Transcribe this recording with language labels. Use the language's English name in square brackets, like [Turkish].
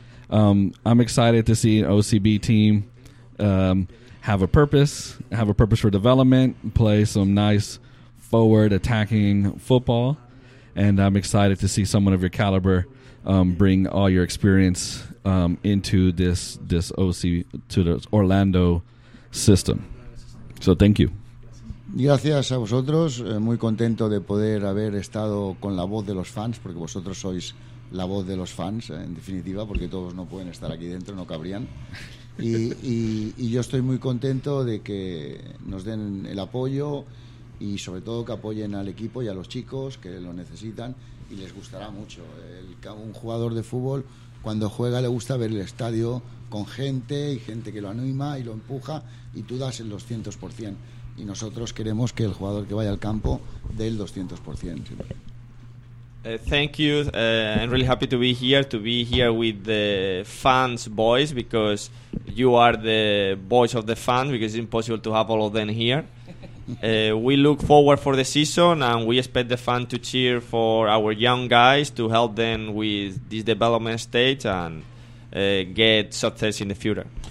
[English] I'm excited to see an OCB team have a purpose for development, play some nice forward attacking football, and I'm excited to see someone of your caliber bring all your experience into this OC, to the Orlando system. So thank you. [Spanish] Gracias a vosotros. Muy contento de poder haber estado con la voz de los fans, porque vosotros sois la voz de los fans, en definitiva, porque todos no pueden estar aquí dentro, no cabrían. Y yo estoy muy contento de que nos den el apoyo, y sobre todo que apoyen al equipo y a los chicos que lo necesitan, y les gustará mucho. Un jugador de fútbol, cuando juega, le gusta ver el estadio con gente y gente que lo anima y lo empuja, y tú das el 200%. Y nosotros queremos que el jugador que vaya al campo dé el 200%. [English] Thank you. I'm really happy to be here, with the fans' voice, because you are the voice of the fans, because it's impossible to have all of them here. We look forward for the season, and we expect the fans to cheer for our young guys to help them with this development stage and get success in the future.